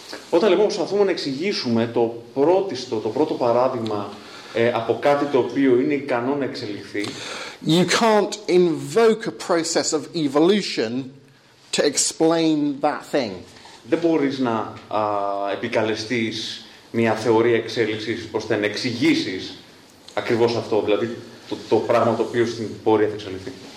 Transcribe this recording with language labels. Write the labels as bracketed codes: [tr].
[el] Όταν λοιπόν προσπαθούμε να εξηγήσουμε το πρώτο παράδειγμα από κάτι το οποίο είναι ικανό να εξελιχθεί. [en] You can't invoke a process of evolution to explain that thing. [el] Δεν μπορείς να επικαλεστείς μια θεωρία εξέλιξης ώστε να εξηγήσεις ακριβώς αυτό, δηλαδή το πράγμα το οποίο στην πορεία θα εξελιχθεί.